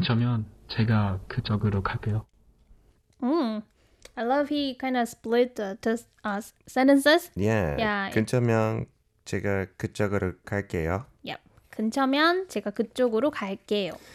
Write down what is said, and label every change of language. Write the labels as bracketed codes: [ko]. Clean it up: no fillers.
[ko] 근처면 제가 그쪽으로 갈게요. [en] I love he kind of split the sentences. Yeah. [ko] 근처면 제가 그쪽으로 갈게요. [en] Yep. [ko] 근처면 제가 그쪽으로 갈게요.